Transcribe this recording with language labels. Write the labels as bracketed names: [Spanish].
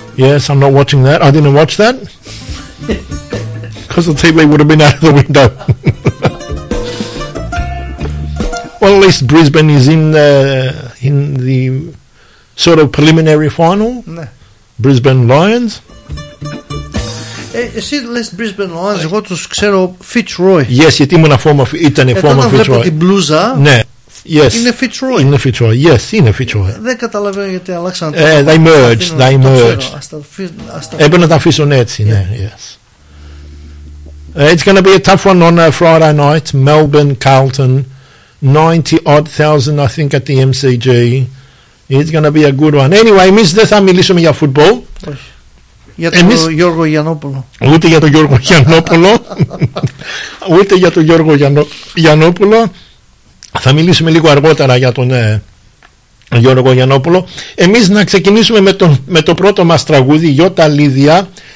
[English] Yes, I'm not watching that. I didn't watch that. Because the TV would have been out of the window. Well, at least Brisbane is in the sort of preliminary final. [Greek] Ναι. [English] Brisbane Lions. [Greek] Εσύ λες Brisbane Lions, εγώ τους ξέρω Fitzroy. [English] Yes, [Greek] γιατί ήμουν φόρμα, ήταν φόρμα Fitzroy. Βλέπω την μπλούζα. Ναι. [English] Yes. [Greek] Είναι Fitzroy. Είναι Fitzroy. [English] Yes, [Greek] είναι Fitzroy. Δεν καταλαβαίνω γιατί αλλάξαν. [English] They merged. [Greek] Έπρεπε να τα αφήσουν έτσι, ναι. [English] Yes. It's going to be a tough one on a Friday night. Melbourne, Carlton. 90,000 I think at the MCG. It's going to be a good one. Anyway, [Greek] εμείς δεν θα μιλήσουμε για φουτμπολ. Όχι. Για τον Γιώργο Γιαννόπουλο. Ούτε για τον Γιώργο Γιαννόπουλο. Ούτε για τον Γιώργο Γιαννόπουλο. Θα μιλήσουμε λίγο αργότερα για τον Γιώργο Γιαννόπουλο. Εμείς να ξεκινήσουμε με το πρώτο μας τραγούδι, Γιώτα Λίδια.